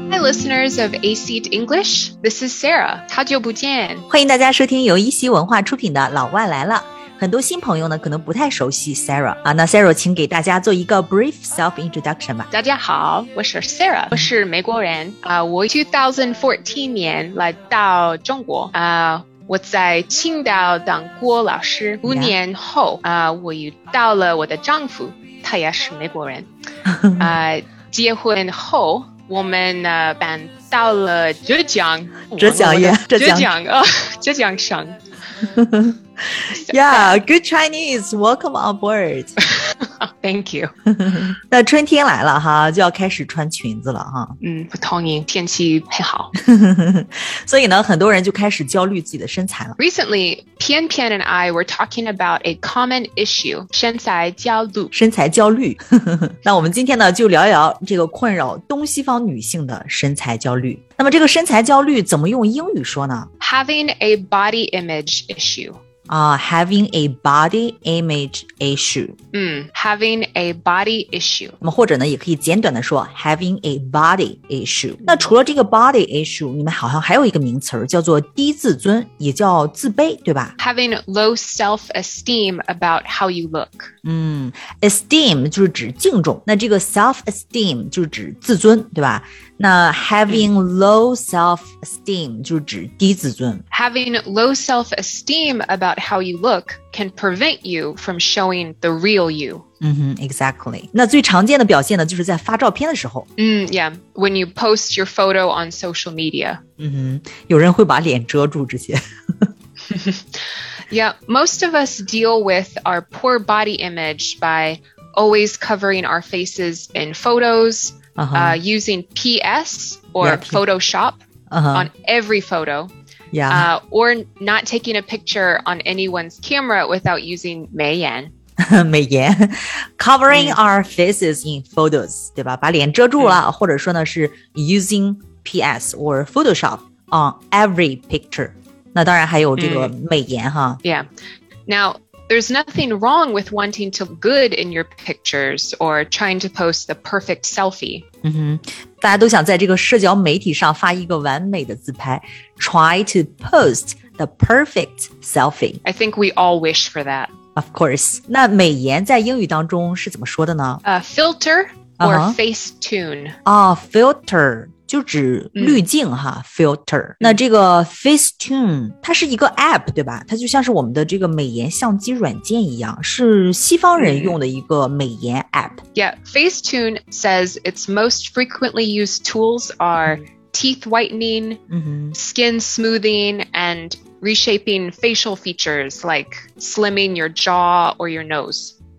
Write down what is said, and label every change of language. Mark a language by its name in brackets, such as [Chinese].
[English] listeners of A-Seat English, this is Sarah. [Chinese] 好久不见。欢迎大家收听由一席文化出品的《老外来了》。很多新朋友呢，可能不太熟悉 Sarah 啊。那 Sarah， 请给大家做一个 [English] brief self-introduction [Chinese] 吧。大家好，我是 Sarah， 我是美国人啊。我2014年来到中国啊。我在青岛当郭老师，五年后啊，我遇到了我的丈夫，他也是美国人啊。结婚后，我们呢搬到了浙江，浙江呀，浙江啊，浙江省。 [English] Yeah, good Chinese. Welcome on board. Thank you. [Chinese] 那春天来了哈，就要开始穿裙子了哈。嗯，不同意，天气很好。所以呢，很多人就开始焦虑自己的身材了。 [English] Recently, Pian Pian and I were talking about a common issue, [Chinese] 身材焦虑。身材焦虑。那我们今天呢，就聊一聊这个困扰东西方女性的身材焦虑。那么这个身材焦虑怎么用英语说呢？ [English] Having a body image issue. Having a body image issue. Having a body issue. [Chinese] 那么或者呢，也可以简短的说 [English] having a body issue. [Chinese] 那除了这个 [English] body issue, [Chinese] 你们好像还有一个名词叫做低自尊，也叫自卑，对吧？ [English] Having low self-esteem about how you look. [Chinese] Esteem 就是指敬重，那这个 self-esteem 就是指自尊，对吧？那 [English] having low self-esteem [Chinese] 就是指低自尊。 [English] Having low self-esteem about how you look can prevent you from showing the real you. Exactly. [Chinese] 那最常见的表现呢，就是在发照片的时候。 [English] When you post your photo on social media. [Chinese] 有人会把脸遮住这些。 [English] most of us deal with our poor body image by always covering our faces in photos,using PS or Photoshop on every photo. Or not taking a picture on anyone's camera without using 美颜。 [Chinese] 美颜。 [English] Covering our faces in photos, [Chinese] 对吧？把脸遮住了，或者说呢是 [English] using PS or Photoshop on every picture. [Chinese] 那当然还有这个美颜哈。 [English] Now, there's nothing wrong with wanting to look good in your pictures or trying to post the perfect selfie. [Chinese] 大家都想在这个社交媒体上发一个完美的自拍 [English] Try to post the perfect selfie. I think we all wish for that. Of course. [Chinese] 那美颜在英语当中是怎么说的呢？ [English] Filter or face tune. [Chinese] Filter 就指滤镜哈 ,filter. 那这个 face tune, 它是一个 app, 对吧？它就像是我们的这个美颜相机软件一样，是西方人用的一个美颜 app。 [English] Facetune says its most frequently used tools are teeth whitening, skin smoothing, and reshaping facial features like slimming your jaw or your nose.